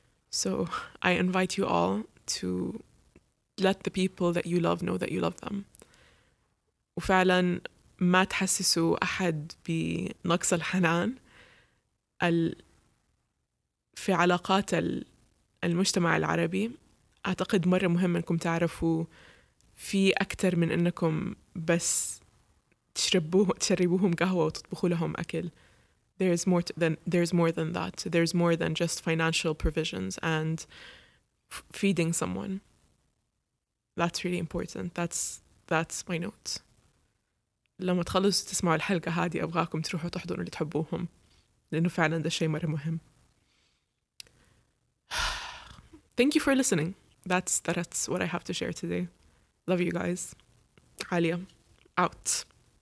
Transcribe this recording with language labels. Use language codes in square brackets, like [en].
[en] So I invite you all to let the people that you love know that you love them. [ar] وفعلا ما تحسسوا أحد بنقص الحنان. في علاقات المجتمع العربي أعتقد مرة مهم أنكم تعرفوا في أكتر من أنكم بس تشربوهم قهوة وتطبخوا لهم أكل. [en] There's more than that. There's more than just financial provisions and feeding someone. That's really important. That's my note. [ar] لما تخلصوا تسمعوا الحلقة هذه أبغاكم تروحوا تحضنوا اللي تحبوهم، لأنه فعلا ده شيء مرة مهم. [en] Thank you for listening. That's what I have to share today. Love you guys. عليا. Out.